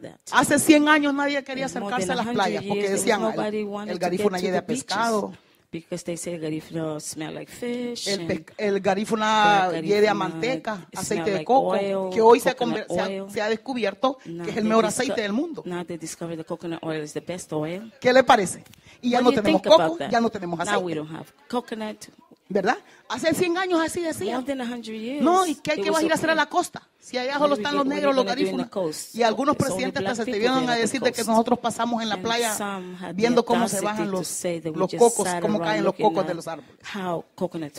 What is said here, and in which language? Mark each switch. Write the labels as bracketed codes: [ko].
[es] Hace 100 años nadie quería acercarse a las playas porque decían el garífuna llega a pescado. [en] Because they say garífuna smell like fish. [es] El garífuna hiede a manteca, aceite de coco, [en] oil, [es] que hoy se ha descubierto que es el mejor aceite del mundo. [en] Now they discovered the coconut oil is the best oil. [es] ¿Qué le parece? Y ya no tenemos coco, ya no tenemos aceite. [en] Now we don't have coconut. [es] ¿Verdad? Hace 100 años así decía. No, ¿y qué, qué vas a ir a hacer a la costa? Si allá solo están los negros, los garífunas. Y algunos presidentes hasta se atrevieron a decir de que nosotros pasamos en la playa viendo cómo se bajan los cocos, cómo caen los cocos de los árboles.